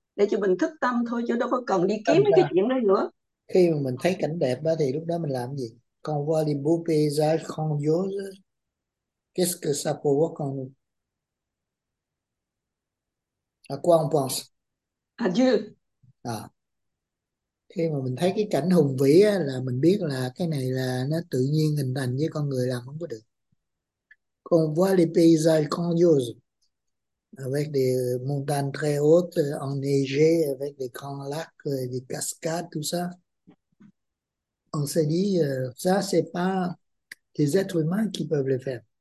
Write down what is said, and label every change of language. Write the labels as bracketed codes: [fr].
[vi] Là, chỉ mình thức tâm thôi, chứ đâu có cần đi kiếm tâm cái ra chuyện này nữa. khi mà mình thấy cảnh đẹp đó thì lúc đó mình làm gì? [fr] Con voit les beaux paysages grandioses, qu'est-ce que ça provoque en nous? À quoi on pense? Adieu. [vi] À, khi mà mình thấy cái cảnh hùng vĩ á, là mình biết là cái này là nó tự nhiên hình thành với con người làm không có được. [fr] Con voit les paysages grandioses avec des montagnes très hautes, enneigées, avec des grands lacs, des cascades, tout ça. On s'est dit, ça, c'est pas les êtres humains qui peuvent le faire.